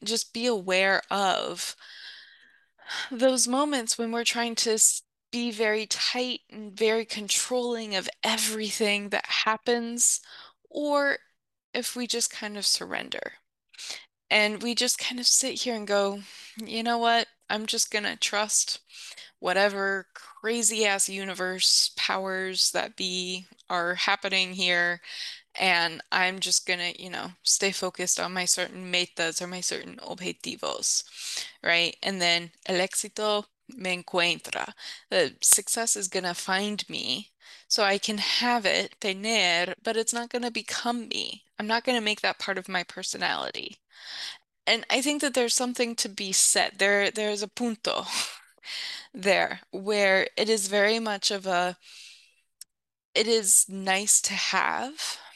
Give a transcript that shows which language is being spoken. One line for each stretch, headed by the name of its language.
English: Just be aware of those moments when we're trying to be very tight and very controlling of everything that happens, or if we just kind of surrender and we just kind of sit here and go, you know what? I'm just gonna trust whatever crazy ass universe powers that be are happening here. And I'm just gonna, stay focused on my certain metas or my certain objetivos, right? And then
Spanish: el éxito me encuentra.
English: The success is gonna find me, so I can have it, tener, but it's not gonna become me. I'm not gonna make that part of my personality. And I think that there's something to be said. There's a punto there where it is very much of a, it is nice to have.